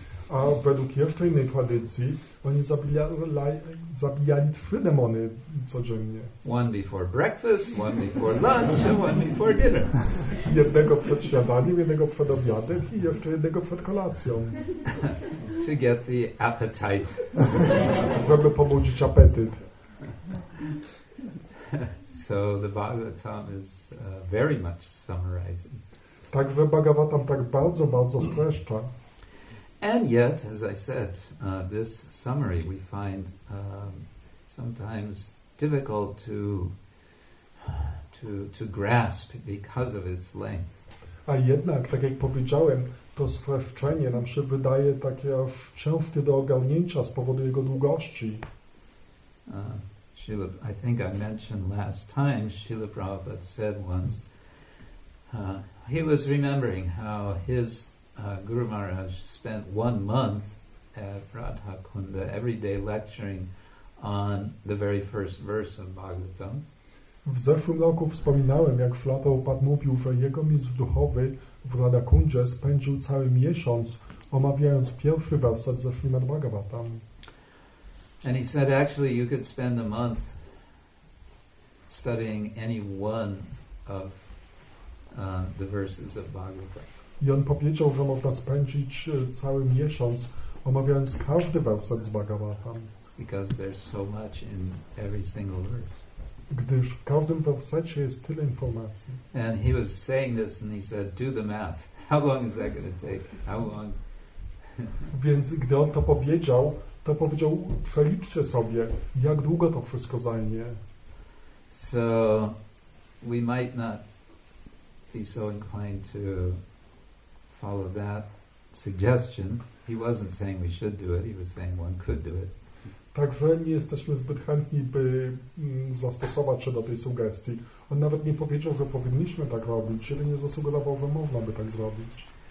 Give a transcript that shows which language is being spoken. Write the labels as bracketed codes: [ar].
[pl] A według jeszcze innej tradycji, oni zabijali trzy demony codziennie. [en] One before breakfast, one before lunch, and one before dinner. [pl] Jednego przed śniadaniem, jednego przed obiadem i jeszcze jednego przed kolacją. [en] To get the appetite. [pl] Żeby pobudzić apetyt. [en] So the Bhagavatam is very much summarizing. [pl] Także Bhagavatam tak bardzo, bardzo streszcza. [en] And yet, as I said, this summary we find sometimes difficult to grasp because of its length. [pl] A jednak, tak jak powiedziałem, to streszczenie nam się wydaje takie aż ciężkie do ogarnięcia z powodu jego długości. [en] I think I mentioned last time, Srila Prabhupada said once, he was remembering how his Guru Maharaj spent 1 month at Radhakunda every day lecturing on the very first verse of Bhagavatam. [pl] W zeszłym roku wspominałem, jak Srila Prabhupada mówił, że jego mistrz duchowy w Radhakundzie spędził cały miesiąc omawiając pierwszy werset ze Srimad Bhagavatam. [en] And he said, actually, you could spend a month studying any one of the verses of Bhagavatam. [pl] I on powiedział, że można spędzić cały miesiąc omawiając każdy werset z Bhagavatam. [en] Because there's so much in every single verse. [pl] Gdyż w każdym wersecie jest tyle informacji. [en] And he was saying this and he said, do the math. How long is that going to take? How long? [pl] Więc gdy on to powiedział, to powiedział, przeliczcie sobie, jak długo to wszystko zajmie. [en] So we might not be so inclined to follow that suggestion. He wasn't saying we should do it, he was saying one could do it. [pl] Także nie jesteśmy zbyt chętni, by zastosować się do tej sugestii. On nawet nie powiedział, że powinniśmy tak robić, ale nie zasugerował, że można by tak zrobić.